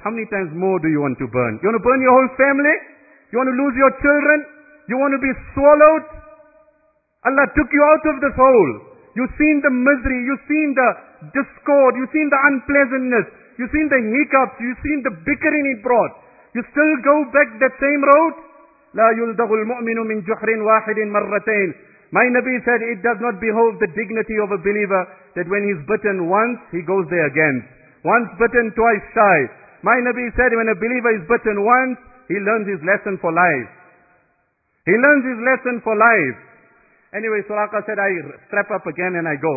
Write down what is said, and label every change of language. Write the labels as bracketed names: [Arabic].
[English] How many times more do you want to burn? You want to burn your whole family? You want to lose your children? You want to be swallowed? Allah took you out of this hole. You've seen the misery. You've seen the discord. You've seen the unpleasantness. You've seen the hiccups. You've seen the bickering it brought. You still go back that same road? [Arabic] لا يلدغ المؤمن من جحر واحد مرتين. [English] My Nabi said, it does not behold the dignity of a believer that when he's bitten once, he goes there again. Once bitten, twice shy. My Nabi said, when a believer is bitten once, he learns his lesson for life. He learns his lesson for life. Anyway, Suraqa said, I strap up again and I go.